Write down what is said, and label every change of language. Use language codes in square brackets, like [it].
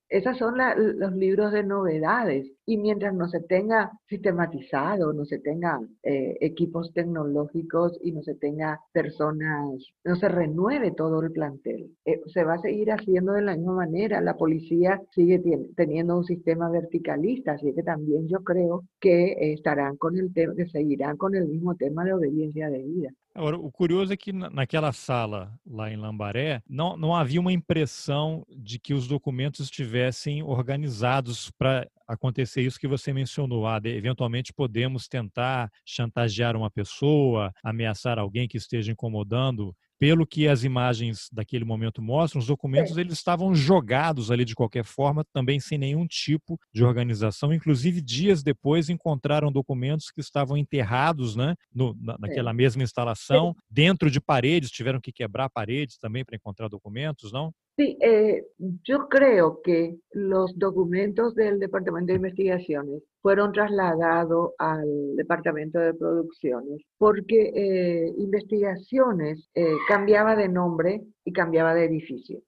[es] Esos son los libros de novedades. Y mientras no se tenga sistematizado, no se tenga equipos tecnológicos y no se tenga personas, no se renueve todo el plantel. Se va a seguir haciendo de la misma manera. La policía sigue teniendo un sistema verticalista, así que también yo creo que estarán con el tema, que seguirán con el mismo tema de obediencia debida. [pt] Agora, o curioso é que naquela sala lá em Lambaré, não havia uma impressão de que os documentos estivessem organizados para acontecer isso que você mencionou. Eventualmente podemos tentar chantagear uma pessoa, ameaçar alguém que esteja incomodando. Pelo que as imagens daquele momento mostram, os documentos eles estavam jogados ali de qualquer forma, também sem nenhum tipo de organização. Inclusive, dias depois, encontraram documentos que estavam enterrados, né, naquela mesma instalação, dentro de paredes, tiveram que quebrar paredes também para encontrar documentos, não? [es] Sí, yo creo que los documentos del Departamento de Investigaciones fueron trasladados al Departamento de Producciones porque Investigaciones cambiaba de nombre y cambiaba de edificio.